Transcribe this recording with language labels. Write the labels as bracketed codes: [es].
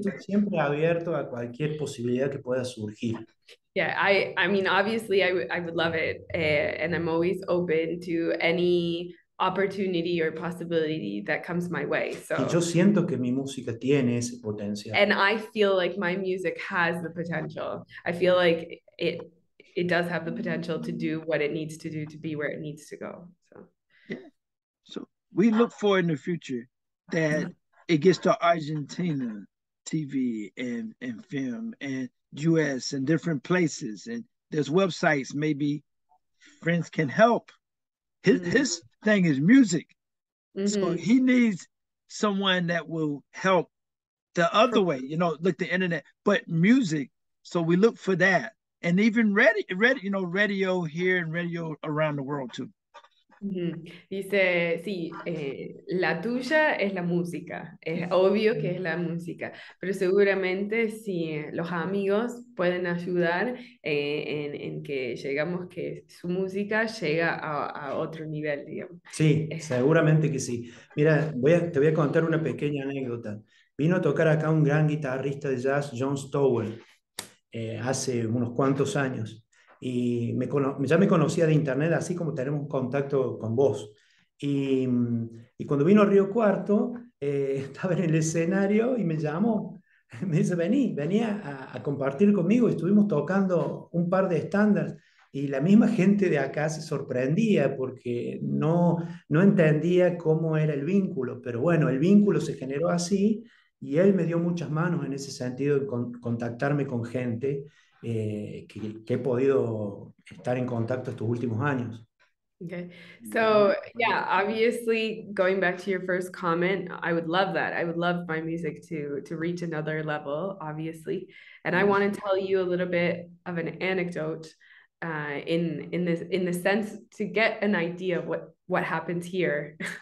[es] Tú siempre abierto a cualquier posibilidad que pueda surgir. [en] Yeah, I mean, obviously I would love it, and I'm always open to any opportunity or possibility that comes my way. So, [es] y yo siento que mi música tiene ese potencial. [en] And I feel like my music has the potential. I feel like it does have the potential to do what it needs to do to be where it needs to go. So, yeah. So we look for in the future that it gets to Argentina TV and film and US and different places, and there's websites, maybe friends can help. His mm-hmm. his thing is music. Mm-hmm. So he needs someone that will help the other way, you know, like the internet, but music. So we look for that. And even radio here and radio around the world too. [es] Dice, sí, la tuya es la música. Es obvio que es la música, pero seguramente sí, los amigos pueden ayudar en que llegamos que su música llega a otro nivel, digamos. Sí, seguramente que sí. Mira, te voy a contar una pequeña anécdota. Vino a tocar acá un gran guitarrista de jazz, John Stowell, hace unos cuantos años. Y ya me conocía de internet, así como tenemos contacto con vos. Y cuando vino a Rio Cuarto, estaba en el escenario y me llamó. Me dice, venía a compartir conmigo. Estuvimos tocando un par de estándares. Y la misma gente de acá se sorprendía porque no entendía cómo era el vínculo. Pero bueno, el vínculo se generó así. Y él me dio muchas manos en ese sentido de contactarme con gente que he podido estar en contacto estos últimos años. [en] Okay, so yeah, obviously going back to your first comment, I would love that. I would love my music to reach another level, obviously. And I want to tell you a little bit of an anecdote in the sense to get an idea of what happens here.